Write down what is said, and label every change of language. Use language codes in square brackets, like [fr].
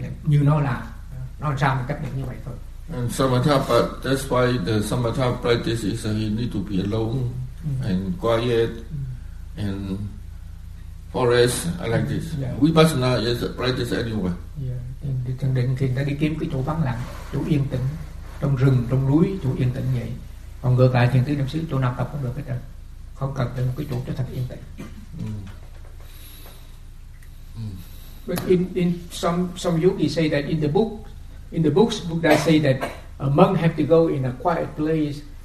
[en] And samatha, but that's why the samatha practice is that you need to be alone and quiet and forest like this. Yeah. Vipassana is a practice anywhere. Yeah. [vi] Thiền định thì ta đi kiếm cái chỗ vắng lặng, chỗ yên tĩnh, trong rừng, trong núi, chỗ yên tĩnh vậy. Còn ngược lại thiền tứ niệm xứ, chỗ nào tập cũng được hết trơn. Không cần tìm một cái chỗ cho thật yên tĩnh. [en] But in some yogis say that in the books Buddha say that a monk have to go in a quiet place.